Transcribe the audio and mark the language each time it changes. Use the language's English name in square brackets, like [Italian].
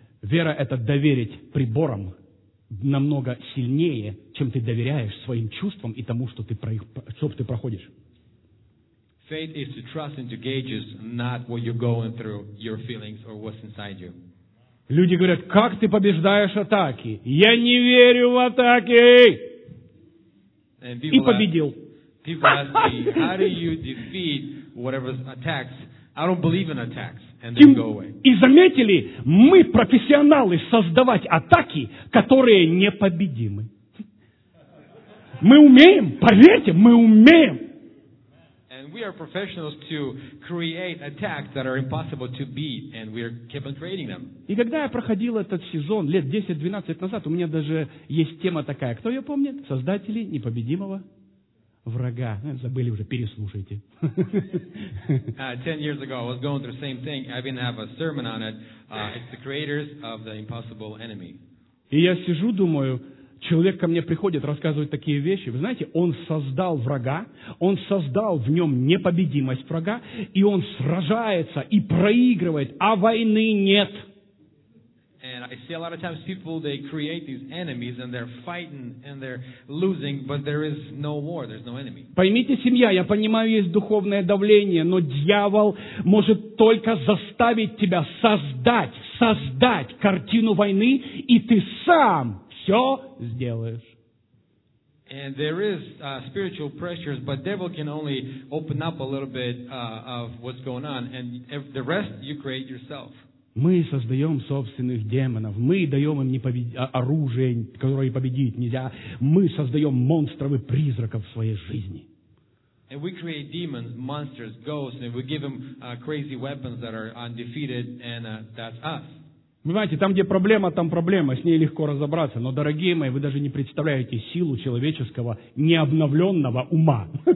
[Russian] Вера — это доверить приборам намного сильнее, чем ты доверяешь своим чувствам и тому, что ты проходишь. [English] Faith is to trust into gauges, not what you're going through, your feelings or what's inside you. [Russian] Люди говорят: как ты побеждаешь атаки? Я не верю в атаки! И победил. [English] People ask me, how do you defeat whatever attacks? I don't believe in attacks. And then go away. [Russian] И заметили, мы профессионалы создавать атаки, которые непобедимы. Мы умеем, поверьте, мы умеем. [English] And we are professionals to create attacks that are impossible to beat, and we are keep on creating them. [Russian] И когда я проходил этот сезон лет 10-12 назад, у меня даже есть тема такая, кто ее помнит? Создатели непобедимого врага. Забыли уже, переслушайте. [English] 10 years ago I was going through the same thing. I even have a sermon on it. It's the creators of the impossible enemy. [Russian] И я сижу, думаю, человек ко мне приходит, рассказывает такие вещи. Вы знаете, он создал врага, он создал в нем непобедимость врага, и он сражается и проигрывает, а войны нет. [English] And I see a lot of times people, they create these enemies and they're fighting and they're losing, but there is no war, there's no enemy. [Russian] Поймите, семья, я понимаю, есть духовное давление, но дьявол может только заставить тебя создать картину войны, и ты сам все сделаешь. [English] And there is spiritual pressures, but devil can only open up a little bit of what's going on, and if the rest you create yourself. [Russian] Мы создаем собственных демонов, мы даем им оружие, которое победить нельзя, мы создаем монстров и призраков в своей жизни. [English] And we create demons, monsters, ghosts, and we give them crazy weapons that are undefeated, and that's us. [Russian] Понимаете, там, где проблема, там проблема, с ней легко разобраться, но, дорогие мои, вы даже не представляете силу человеческого необновленного ума.